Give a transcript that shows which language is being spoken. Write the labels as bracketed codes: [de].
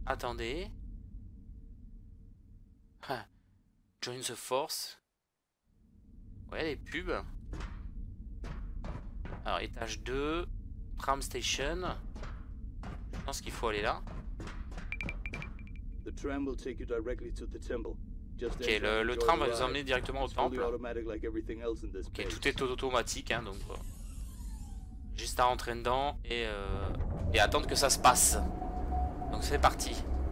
[fr] Attendez. [en] Join the force. [fr] Ouais, les pubs. Alors, étage 2. Tram station. Je pense qu'il faut aller là. [en] The tram will take you directly to the temple. [fr] Ok, le tram va nous emmener directement au temple. Ok, tout est automatique, hein, donc juste à entrer dedans et attendre que ça se passe. Donc c'est parti.